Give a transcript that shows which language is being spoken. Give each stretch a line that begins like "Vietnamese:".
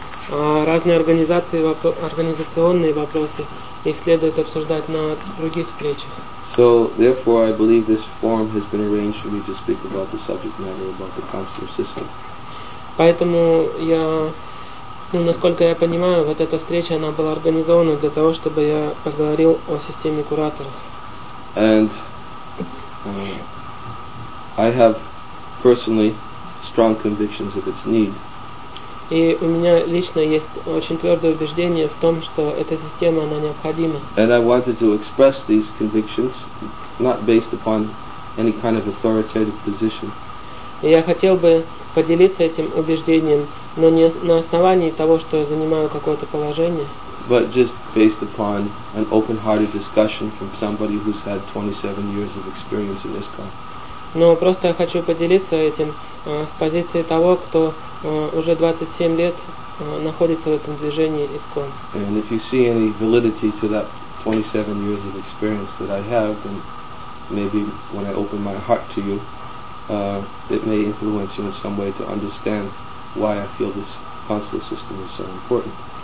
Russian: Разные организационные вопросы, их следует обсуждать на других встречах.
English: So, therefore, I believe this forum has been arranged for me to speak about the subject matter about the consular system.
Russian: Поэтому я... Ну, насколько я понимаю, вот эта встреча, она была организована для того, чтобы я поговорил о системе кураторов.
English: And I have personally strong convictions of its need.
Russian: И у меня лично есть очень твердое убеждение в том, что эта система, она необходима.
English: And I wanted to express these convictions, not based upon any kind of authoritative position.
Russian: И я хотел бы поделиться этим убеждением, но не на основании того, что я занимаю какое-то положение.
English: But just based upon an open-hearted discussion from somebody who's had 27 years of experience in ISKCON.
Russian: Но просто я хочу поделиться этим с позиции того, кто уже 27 лет находится в этом движении ISKCON.
English: And if you see any validity to that 27 years of experience that I have, then maybe when I open my heart to you, it may influence you in some way to understand why I feel this consular system is so important.